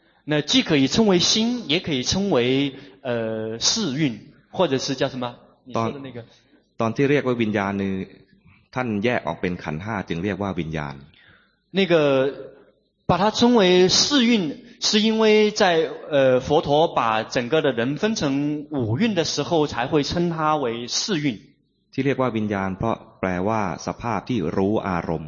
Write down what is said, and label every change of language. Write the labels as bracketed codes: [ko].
[zh] 那既可以称为心也可以称为世运或者是叫什么你说的那个 [th] ตอนที่เรียกว่าวิญญาณท่านแยกออกเป็นขันธ์ห้าจึงเรียกว่าวิญญาณ [zh] 那个把它称为世运是因为在佛陀把整个的人分成五蕴的时候才会称它为世蕴。 [th] ที่เรียกว่าวิญญาณเพราะแปลว่าสภาพที่รู้อารมณ